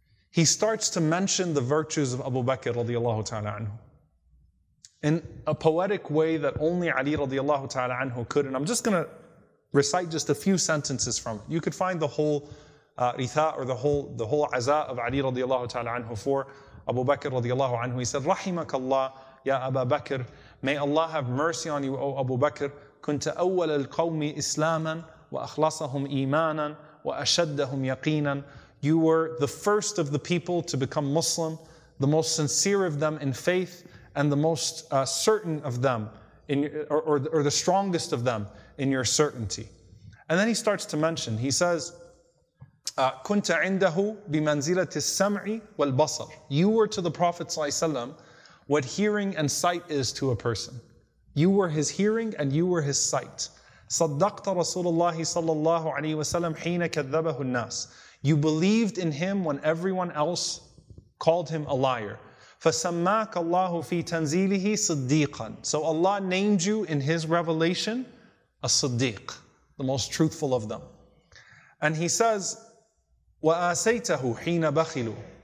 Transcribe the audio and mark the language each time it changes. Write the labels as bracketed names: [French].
[English] He starts to mention the virtues of Abu Bakr radiallahu ta'ala anhu in a poetic way that only Ali radiallahu ta'ala anhu could. And I'm just going to recite just a few sentences from it. You could find the whole ritha, or the whole aza of Ali radiallahu ta'ala anhu for Abu Bakr radiallahu anhu. He said, [Arabic] Rahimakallah, Ya Abu Bakr, [English] may Allah have mercy on you, O Abu Bakr. [Arabic] كنت أول القوم إسلاما وأخلصهم إيمانا وأشدهم يقينا. [English] You were the first of the people to become Muslim, the most sincere of them in faith, and the most certain of them, or the strongest of them in your certainty. And then he starts to mention. He says, [Arabic] كنت عنده بمنزلة السمع والبصر. [English] You were to the Prophet صلى الله عليه وسلم what hearing and sight is to a person. You were his hearing and you were his sight. [Arabic] صدقت رسول الله صلى الله عليه وسلم حين كذبه الناس. [English] You believed in him when everyone else called him a liar. [Arabic] فسماك الله في تنزيله صديقا. [English] So Allah named you in his revelation As-Siddiq, the most truthful of them. And he says, [Arabic] وَآسَيْتَهُ حِينَ بَخِلُوا.